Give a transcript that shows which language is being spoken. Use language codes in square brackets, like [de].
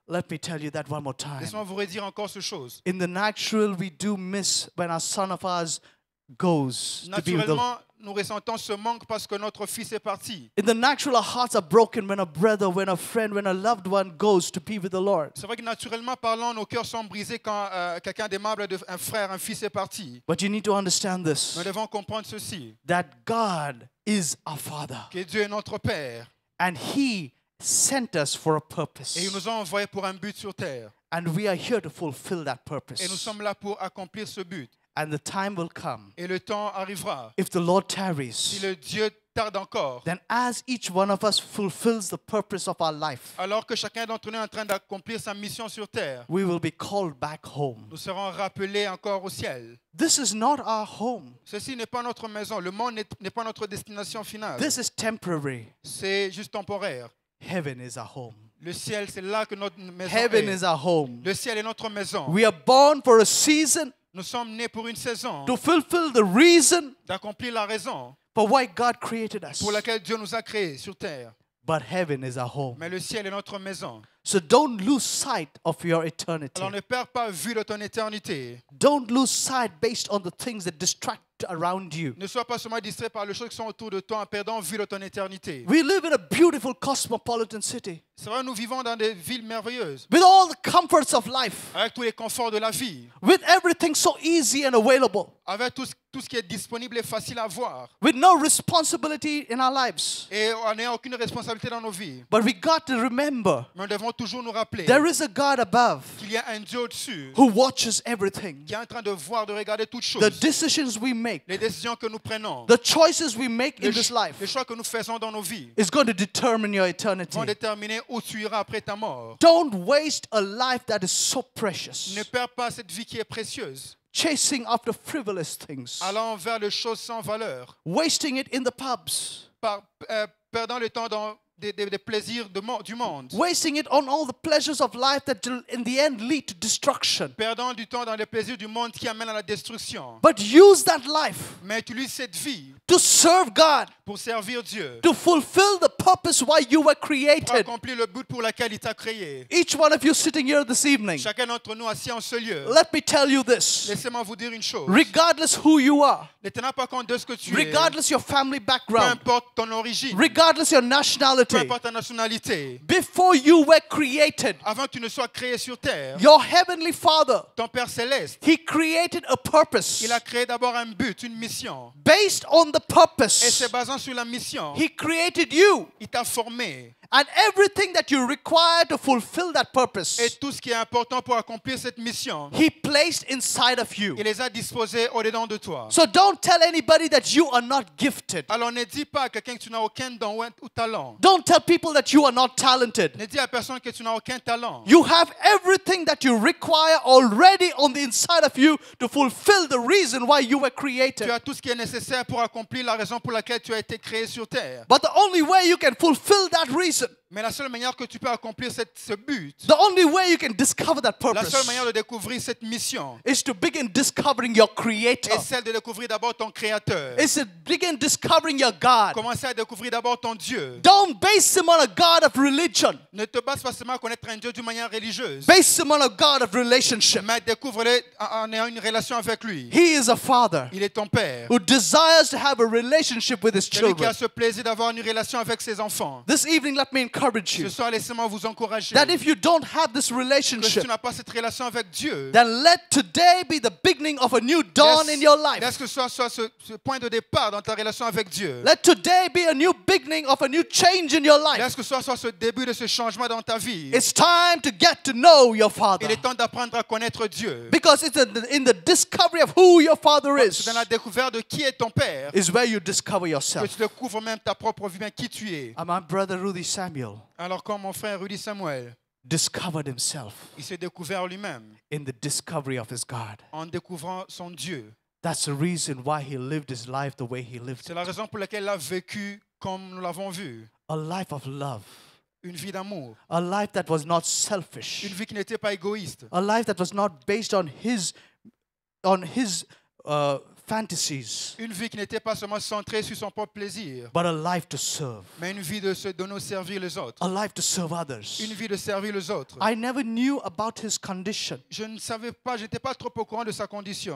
[en] Let me tell you that one more time. [fr] Laisse-moi vous redire encore ce chose. [en] In the natural, we do miss when a son of ours goes to be with the... [fr] Nous ressentons ce manque parce que notre fils est parti. [en] In the natural, our hearts are broken when a brother, when a friend, when a loved one goes to be with the Lord. [fr] C'est vrai que naturellement parlant, nos cœurs sont brisés quand quelqu'un d'aimable, un frère, un fils est parti. [en] But you need to understand this. [fr] Nous devons comprendre ceci. [en] That God is our Father. [fr] Que Dieu est notre Père. [en] And He sent us for a purpose. [fr] Et il nous a envoyés pour un but sur terre. [en] And we are here to fulfill that purpose. [fr] Et nous sommes là pour accomplir ce but. [en] And the time will come. [fr] Et le temps arrivera. [en] If the Lord tarries. [fr] Si le Dieu tarde encore. [en] Then as each one of us fulfills the purpose of our life. [fr] Alors que chacun d'entre nous est en train d'accomplir sa mission sur terre. [en] We will be called back home. [fr] Nous serons rappelés encore au ciel. [en] This is not our home. [fr] Ceci n'est pas notre maison. Le monde n'est pas notre destination finale. [en] This is temporary. [fr] C'est juste temporaire. [en] Heaven is our home. [fr] Le ciel, c'est là que notre maison [en] Heaven [fr] est. [en] Is our home. [fr] Le ciel est notre maison. [en] We are born for a season. [fr] Nous sommes nés pour une saison. [en] To fulfill the reason. [fr] D'accomplir la raison. [en] For why God created us. [fr] Pour laquelle Dieu nous a créés sur terre. [en] But heaven is our home. [fr] Mais le ciel est notre maison. [en] So don't lose sight of your eternity. [fr] Alors ne perds pas vue de ton éternité. [en] Don't lose sight based on the things that distract around you. [fr] Ne sois pas seulement distrait par les choses qui sont autour de toi en perdant vue de ton éternité. [en] We live in a beautiful cosmopolitan city. [fr] C'est vrai, nous vivons dans des villes merveilleuses. [en] With all the comforts of life. [fr] Avec tous les conforts de la vie. [en] With everything so easy and available. [fr] Avec tout ce qui est disponible et facile à voir. [en] With no responsibility in our lives. [fr] Et on n'a aucune responsabilité dans nos vies. [en] But we got to remember. [fr] Toujours nous rappeler [en] There is a God above [fr] qu'il y a un Dieu au-dessus [en] who watches everything. [fr] Qui est en train de voir, de regarder toutes choses. [en] The decisions we make, [fr] les décisions que nous prenons, [en] the choices we make in this life, [fr] les choix que nous faisons dans nos vies, [en] is going to determine your eternity. [fr] Vont déterminer où tu iras après ta mort. [en] Don't waste a life that is so precious. [fr] Ne perds pas cette vie qui est précieuse. [en] Chasing after frivolous things. [fr] Allant vers les choses sans valeur. [en] Wasting it in the pubs. [fr] Perdant le temps dans des plaisirs du monde. [en] Wasting it on all the pleasures of life that in the end lead to destruction. [fr] Perdant du temps dans les plaisirs du monde qui amènent à la destruction. [en] But use that life. [fr] Mais utilise cette vie. [en] To serve God. [fr] Pour servir Dieu. [en] To fulfill the purpose why you were created. [fr] Pour accomplir le but pour lequel il t'a créé. [en] Each one of you sitting here this evening. [fr] Chacun d'entre nous assis en ce lieu. [en] Let me tell you this. [fr] Laissez-moi vous dire une chose. [en] Regardless who you are. [fr] Ne tenant pas compte de ce que tu es. [en] Regardless your family background. [fr] Peu importe ton origine. [en] Regardless your nationality. [fr] Peu importe ta nationalité. [en] Before you were created. [fr] Avant que tu ne sois créé sur terre. [en] Your heavenly Father. [fr] Ton Père céleste. [en] He created a purpose. [fr] Il a créé d'abord un but, une mission. [en] Based on the purpose. [fr] Et c'est basant sur la mission. [en] He created you. [fr] Il t'a formé. [en] And everything that you require to fulfill that purpose. [fr] Et tout ce qui est important pour accomplir cette mission. [en] He placed inside of you. [fr] Il les a disposés au-dedans de toi. [en] So don't tell anybody that you are not gifted. [fr] Alors ne dis pas à quelqu'un que tu n'as aucun don ou talent. [en] Don't tell people that you are not talented. [fr] Ne dis à personne que tu n'as aucun talent. [en] You have everything that you require already on the inside of you to fulfill the reason why you were created. [fr] Tu as tout ce qui est nécessaire pour accomplir la raison pour laquelle tu as été créé sur terre. [en] But the only way you can fulfill that reason. [fr] Mais la seule manière que tu peux accomplir ce but, [en] the only way you can discover that purpose, [fr] la seule manière de découvrir cette mission, [en] is to begin discovering your creator, [fr] est celle de découvrir d'abord ton créateur, [en] is to begin discovering your God, [fr] commencer à découvrir d'abord ton Dieu. [en] Don't base him on a God of religion, [fr] ne te base pas seulement à connaître un Dieu d'une manière religieuse, [en] base him on a God of relationship, [fr] mais découvre-le en ayant une relation avec lui. [en] He is a father, [fr] il est ton père, [en] who desires to have a relationship with his children, [fr] qui a ce plaisir d'avoir une relation avec ses enfants. [en] This evening, let me encourage you. [fr] Ce soir, laissez-moi vous encourager. [en] That if you don't have this relationship, [fr] que si tu n'as pas cette relation avec Dieu, [en] then let today be the beginning of a new dawn in your life. [fr] Laisse que ce soit ce point de départ dans ta relation avec Dieu. [en] Let today be a new beginning of a new change in your life. [fr] Laisse que ce soit ce début de ce changement dans ta vie. [en] It's time to get to know your Father. [fr] Il est temps d'apprendre à connaître Dieu. [en] Because it's in the discovery of who your Father is. [fr] Dans la découverte de qui est ton Père. [en] Is where you discover yourself. [fr] Que tu découvres même ta propre vie, même qui tu es. [en] Am I brother Rudy? Samuel. [fr] Alors quand mon frère Rudy Samuel [en] discovered himself, [fr] il s'est découvert lui-même [en] in the discovery of his God. [fr] En découvrant son Dieu. [en] That's the reason why he lived his life the way he lived. [fr] C'est la raison pour laquelle il a vécu comme nous l'avons vu. [en] A life of love. [fr] Une vie d'amour. [en] A life that was not selfish. [fr] Une vie qui n'était pas égoïste. [en] A life that was not based on his fantasies. [fr] Une vie qui n'était pas seulement centrée sur son propre plaisir. [en] But a life to serve. [fr] Mais une vie de se donner servir les autres. [en] A life to serve others. [fr] Une vie de servir les autres. [en] I never knew about his condition. [fr] Je ne savais pas, j'étais pas trop au courant de sa condition.